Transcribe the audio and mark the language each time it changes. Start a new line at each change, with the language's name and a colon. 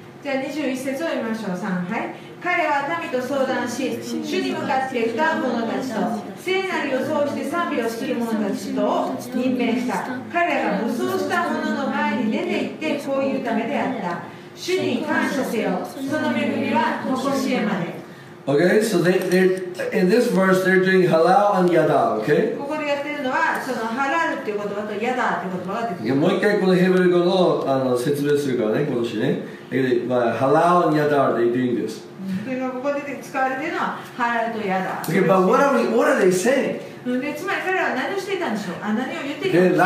Japanese: じゃあ21節を読みましょう。3、はい。彼は民と相談し、主に向かって歌う者たちと、聖なる予想して賛美をする者たちと任命した。彼が武装した者の前に出て行って、こういうためであった。主に感謝せよ、その恵みは常しえまで。
English: Okay, so they in this verse they're doing halal and yada. Okay.
Japanese: ここでやってるのはそのハラルっていう言葉とヤダっていう言葉が出てくる。もう一回このヘブル語のあの説明するからね、今年ね。
English: まあ halal and yada they doing this。
Japanese: ここで使われているのはハラルとヤダ。
English: Okay, but what are they saying?
Japanese: で、つまり彼らは何をしていたんでしょう。あ、何を言っていたんでしょう。